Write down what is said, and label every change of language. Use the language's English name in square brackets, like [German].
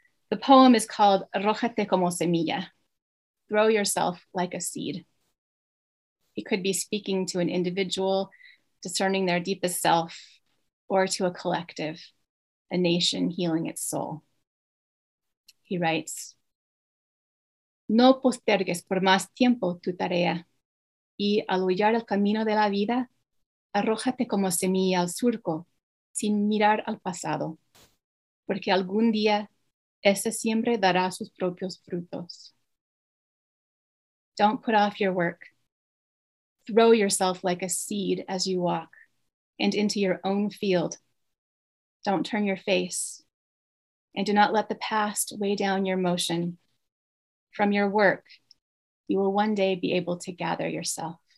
[English] The poem is called [Spanish] Arrójate como semilla, [English] throw yourself like a seed. He could be speaking to an individual discerning their deepest self, or to a collective, a nation healing its soul. He writes, [Spanish] no postergues por más tiempo tu tarea, y al hollar el camino de la vida, arrójate como semilla al surco, sin mirar al pasado, porque algún día esa siembra dará sus propios frutos. [English] Don't put off your work. Throw yourself like a seed as you walk and into your own field. Don't turn your face and do not let the past weigh down your motion. From your work, you will one day be able to gather yourself.